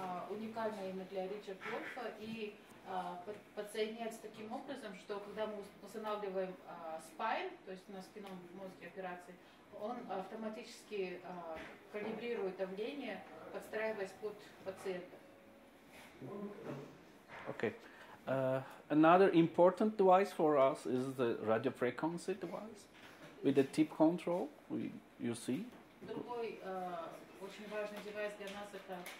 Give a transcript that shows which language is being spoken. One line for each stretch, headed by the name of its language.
Russian: Уникальная именно для Ричард Вольфа и подсоединяется таким образом, что когда мы устанавливаем спайн, то есть на спинном мозге операции, он автоматически калибрирует давление, подстраиваясь под пациента.
English: Okay. Another important device for us is the radio frequency device with the tip control. You see.
Russian: Другой очень важный девайс для нас это